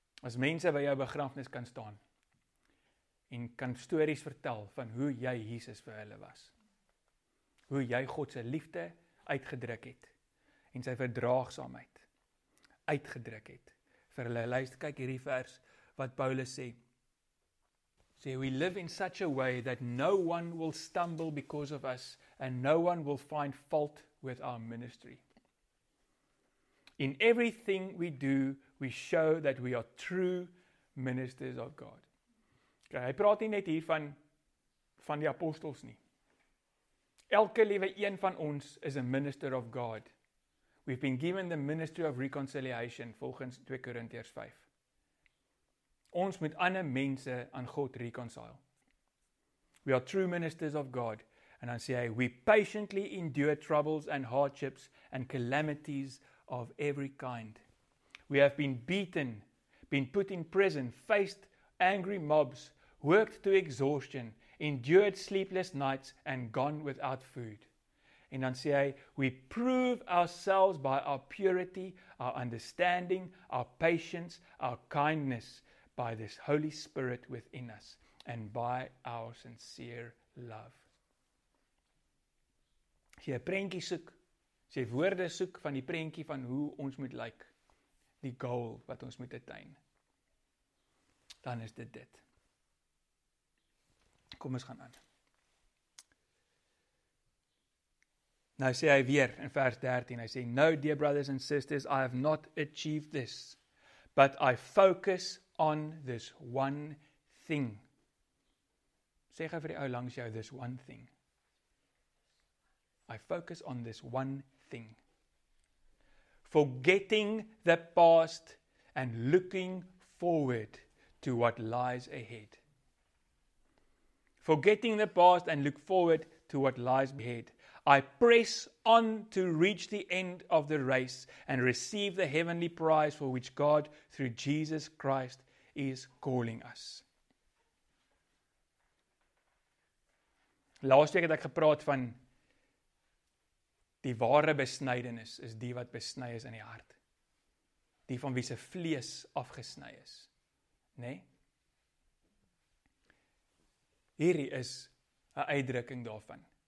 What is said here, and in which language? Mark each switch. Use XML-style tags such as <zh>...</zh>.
<af>As mense by jou begrafnis kan staan, en kan stories vertel van hoe jy Jesus vir hulle was, hoe jy God se liefde uitgedruk het, en sy verdraagsaamheid uitgedruk het, vir hulle, luister, kyk hierdie vers, wat Paulus sê, sê, we live in such a way that no one will stumble because of us, and no one will find fault with our ministry.</af> <en>In everything we do, we show that we are true ministers of God.</en> <af>Okay, hy praat nie net hier van die apostels nie. Elke liewe een van ons is a minister of God.</af> <en>We've been given the ministry of reconciliation, volgens 2 Korintiërs 5.</en> <af>Ons moet ander mense aan God reconcile. We are true ministers of God.</af> <en>En dan sê hy, we patiently endure troubles and hardships and calamities of every kind. We have been beaten, been put in prison, faced angry mobs, worked to exhaustion, endured sleepless nights and gone without food. En dan sê hy, we prove ourselves by our purity, our understanding, our patience, our kindness, by this Holy Spirit within us, and by our sincere love.</en> <af>As jy 'n prentjie soek, as jy woorde soek van die prentjie van hoe ons moet lyk, die goal wat ons moet attain, dan is dit dit. Kom ons gaan aan.</af> <en>Nou sê hy weer in vers 13, hy sê, no, dear brothers and sisters, I have not achieved this, but I focus on this one thing. Sê gou vir die ou langs jou, this one thing. I focus on this one thing. Forgetting the past and looking forward to what lies ahead. Forgetting the past and look forward to what lies ahead. I press on to reach the end of the race and receive the heavenly prize for which God, through Jesus Christ, is calling us.</en> <af>Laaste week het ek gepraat van die ware besnydenis is die wat besny is in die hart. Die van wie se vlees afgesny is. Nê? Hierdie is 'n uitdrukking daarvan.</af>